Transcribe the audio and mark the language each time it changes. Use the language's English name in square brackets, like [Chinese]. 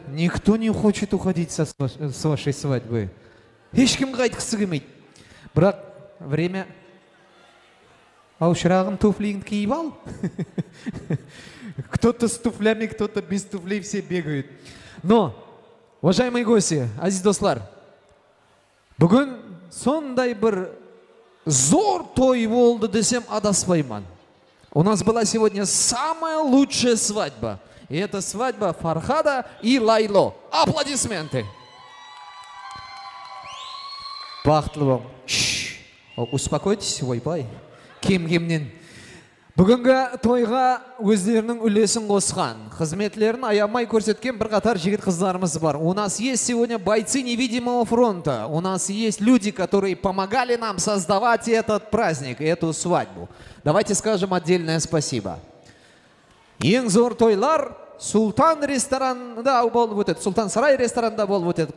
[Russian] Никто не хочет уходить с вашей свадьбы. [Kara-Kalpak] Ешкім қайтқысы келмейді. Бірақ [Russian] время... [Kara-Kalpak] Аушырағын туфлиңді киіп ал. [Russian] Кто-то с туфлями, кто-то без туфлей, все бегают. Но, уважаемые гости, [Kara-Kalpak] азиз достлар, бүгін сондай бір... Зор той волды десем адаспайман. [Russian] У нас была сегодня самая лучшая свадьба. И это свадьба Фархада и Лайло. Аплодисменты. Бахтлы вам. Успокойтесь, ойбай. Ким гимнин. [Kara-Kalpak] Бүгінгі тойға өздерінің үлесін қосқан, қызметлерін аямай көрсеткен бірқатар жігіт-қыздарымыз бар. [Russian] У нас есть сегодня бойцы невидимого фронта. У нас есть люди, которые помогали нам создавать этот праздник, эту свадьбу. Давайте скажем отдельное спасибо. [Kara-Kalpak] Ең зор тойлар Султан ресторанда болып өтеді, Султан сарай ресторанда болып өтеді.